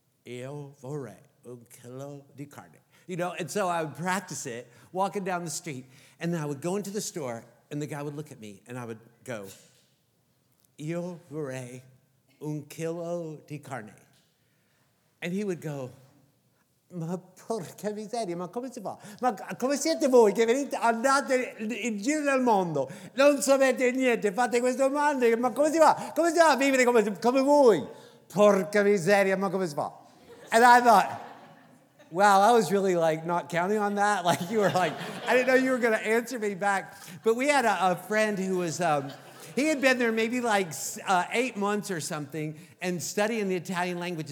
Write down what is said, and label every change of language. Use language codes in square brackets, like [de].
[it] "Io vorrei un chilo di carne." [en] You know, and so I would practice it walking down the street. And then I would go into the store, and the guy would look at me, and I would go, [it] "Io vorrei un chilo di carne." [en] And he would go, [it] "Ma porca miseria, ma come si fa? Ma come siete voi che venite, andate in giro del mondo? Non sapete niente, fate queste domande, ma come si fa? Come si fa a vivere come voi? Porca miseria, ma come si fa?" [en] And I thought, wow, I was really like not counting on that. Like you were like, I didn't know you were gonna answer me back. But we had a friend who was, he had been there maybe like 8 months or something and studying the Italian language.